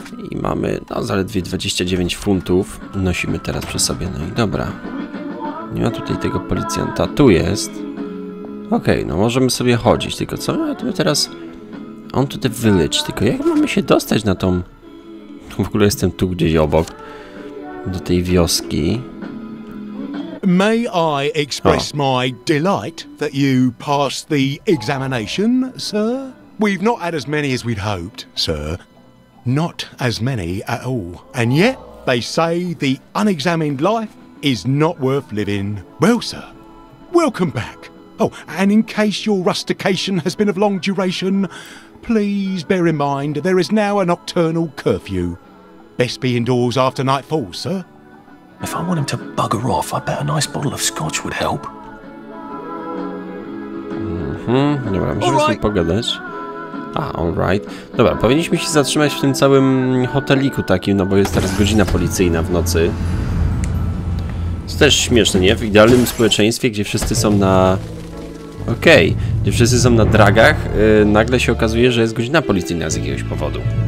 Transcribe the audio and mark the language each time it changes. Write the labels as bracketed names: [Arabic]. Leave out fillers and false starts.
[Polish] I mamy, no, zaledwie 29 funtów. Nosimy teraz przy sobie, no i dobra. Nie ma tutaj tego policjanta, tu jest. Okej, no możemy sobie chodzić, tylko co? Ja tu teraz... On tutaj [English] the village, [Polish] tylko jak mamy się dostać na tą... W ogóle jestem tu gdzieś obok. Do tej wioski. [English] May I express my delight that you passed the examination, sir? We've not had as many as we'd hoped, sir. Not as many at all. And yet, they say the unexamined life is not worth living. Well, sir, welcome back. Oh, and in case your rustication has been of long duration, please bear in mind there is now a nocturnal curfew. Best be indoors after nightfall, sir. If I want him to bugger off, I bet a nice bottle of scotch would help. [Polish] Dobra, możemy sobie pogadać. A, alright. Dobra, powinniśmy się zatrzymać w tym całym hoteliku takim, no bo jest teraz godzina policyjna w nocy. To też śmieszne, nie? W idealnym społeczeństwie, gdzie wszyscy są na... Okej, gdzie wszyscy są na dragach, nagle się okazuje, że jest godzina policyjna z jakiegoś powodu.